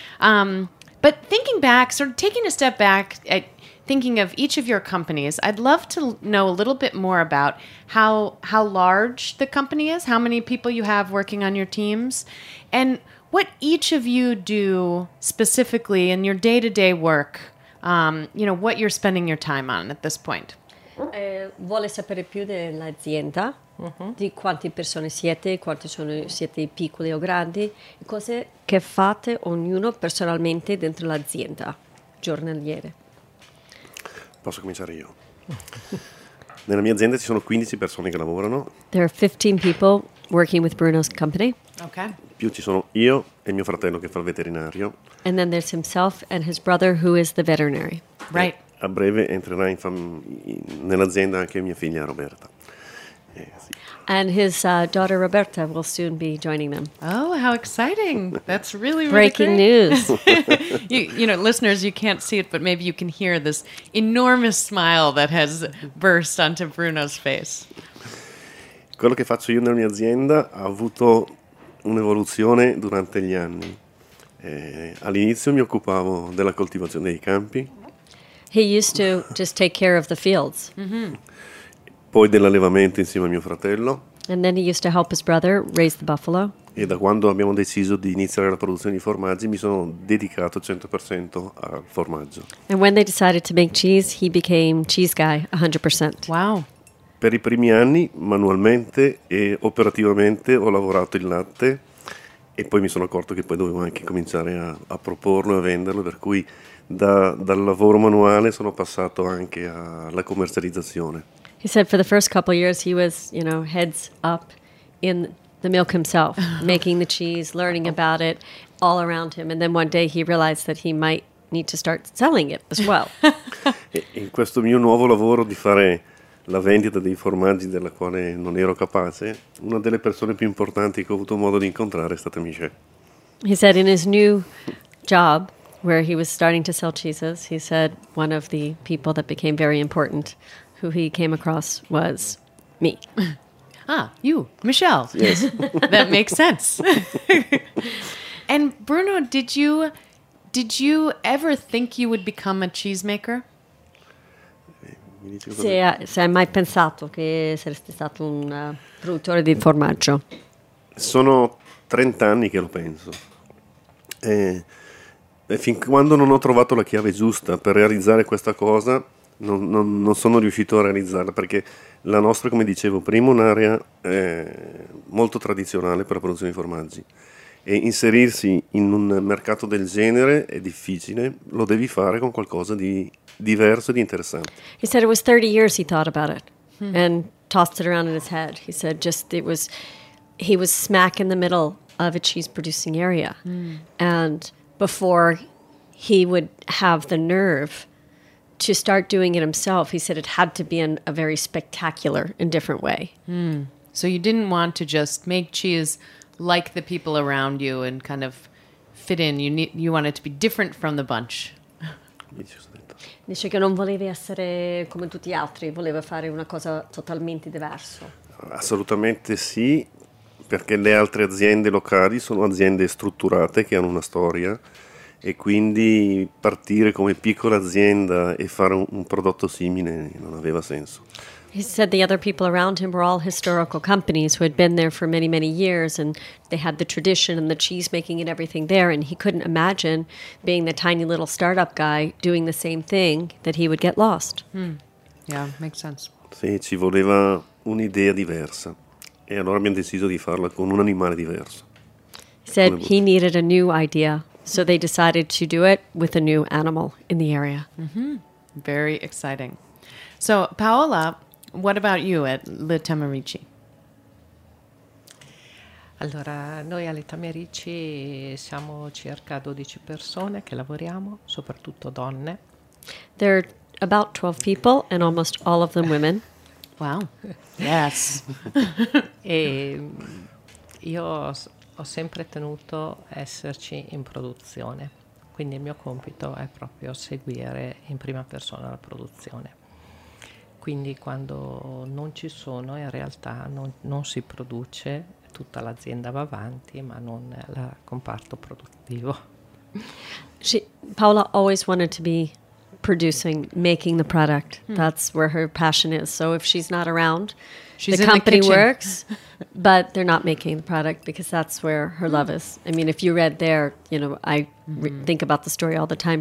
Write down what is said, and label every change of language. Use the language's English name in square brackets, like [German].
[English] But thinking back, sort of taking a step back at thinking of each of your companies, I'd love to know a little bit more about how large the company is, how many people you have working on your teams, and what each of you do specifically in your day-to-day work, you know, what you're spending your time on at this point. [Italian] Vuole sapere più dell'azienda, di quante persone siete, quanti sono siete piccoli o grandi, cose che fate ognuno personalmente dentro l'azienda, giornaliere. Posso cominciare io? Nella mia azienda ci sono 15 persone che lavorano. [English] There are 15 people working with Bruno's company. Okay. [Italian] Più ci sono io e mio fratello che fa il veterinario. [English] And then there's himself and his brother who is the veterinary. Right. [Italian] A breve entrerà in nell'azienda anche mia figlia Roberta. Sì. [English] And his daughter Roberta will soon be joining them. Oh, how exciting. That's really, really breaking great. News. you know, listeners, you can't see it, but maybe you can hear this enormous smile that has burst onto Bruno's face. [Italian] Quello che faccio io nella mia azienda ha avuto un'evoluzione durante gli anni. All'inizio mi occupavo della coltivazione dei campi. [English] He used to just take care of the fields. Mm-hmm. [Italian] Poi dell'allevamento insieme a mio fratello. [English] And then he used to help his brother raise the buffalo. [Italian] E da quando abbiamo deciso di iniziare la produzione di formaggi, mi sono dedicato 100% al formaggio. [English] And when they decided to make cheese, he became cheese guy 100%. Wow. [Italian] Per i primi anni, manualmente e operativamente, ho lavorato il latte e poi mi sono accorto che poi dovevo anche cominciare a proporlo e a venderlo, per cui dal lavoro manuale sono passato anche alla commercializzazione. [English] He said for the first couple of years he was, you know, heads up in the milk himself, making the cheese, learning about it all around him. And then one day he realized that he might need to start selling it as well. [Italian] In questo mio nuovo lavoro di fare la vendita dei formaggi della quale non ero capace, una delle persone più importanti che ho avuto modo di incontrare è stata Michelle. [English] He said in his new job, where he was starting to sell cheeses, he said one of the people that became very important who he came across was me. Ah, you, Michelle. Yes. That makes sense. And Bruno, did you ever think you would become a cheesemaker? [Italian] Se hai mai pensato che saresti stato un produttore di formaggio? Sono 30 anni che lo penso. Fin quando non ho trovato la chiave giusta per realizzare questa cosa, Non sono riuscito a realizzarla, perché la nostra, come dicevo prima, è un'area molto tradizionale per la produzione di formaggi, e inserirsi in un mercato del genere è difficile, lo devi fare con qualcosa di diverso e di interessante. [English] He said it was 30 years he thought about it and tossed it around in his head. He said just he was smack in the middle of a cheese producing area and before he would have the nerve to start doing it himself, he said it had to be in a very spectacular and different way. Mm. So you didn't want to just make cheese like the people around you and kind of fit in. You wanted to be different from the bunch. [Italian] Dice che non volevi essere come tutti gli altri, voleva fare una cosa totalmente diverso. Assolutamente sì, perché le altre aziende locali sono aziende strutturate che hanno una storia. E quindi partire come piccola azienda e fare un prodotto simile non aveva senso. [English] He said the other people around him were all historical companies who had been there for many, many years, and they had the tradition and the cheese making and everything there, and he couldn't imagine being the tiny little startup guy doing the same thing, that he would get lost. Yeah, makes sense. [Italian] Sì, ci voleva un'idea diversa. E allora abbiamo deciso di farla con un animale diverso. [English] Said he needed a new idea, so they decided to do it with a new animal in the area. Mm-hmm. Very exciting. So, Paola, what about you at Le Tamerici? [Italian] Allora, noi alle Tamerici siamo circa 12 persone che lavoriamo, soprattutto donne. [English] There are about 12 people and almost all of them women. Wow. Yes. [Italian] E io ho sempre tenuto esserci in produzione, quindi il mio compito è proprio seguire in prima persona la produzione. Quindi quando non ci sono, in realtà non si produce, tutta l'azienda va avanti, ma non il comparto produttivo. [English] Paola always wanted to be producing, making the product. Hmm. That's where her passion is. So if she's not around, she's the company the works, but they're not making the product because that's where her love is. I mean, if you read there, you know, I think about the story all the time.